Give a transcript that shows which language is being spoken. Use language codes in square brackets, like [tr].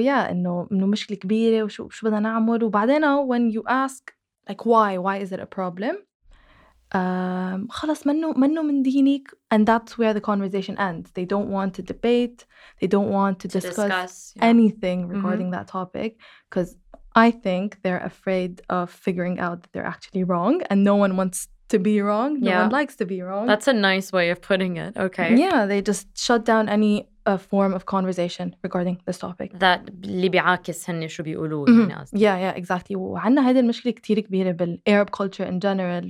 [ar] إنه مشكلة كبيرة وشو بدنا نعمل. وبعدين [en] when you ask, like, why is it a problem? [ar] خلاص منو من دينك. [en] And that's where the conversation ends. They don't want to debate. They don't want to discuss anything regarding that topic. Because I think they're afraid of figuring out that they're actually wrong. And no one wants to be wrong. No one likes to be wrong. That's a nice way of putting it. Okay. Yeah, they just shut down any form of conversation regarding this topic. That [ar] اللي بيعاكس هن شو بيقولوا الناس. [en] Yeah, yeah, exactly. [ar] وعنا هيدا المشكلة كتير كبيرة بال [en] Arab culture in general.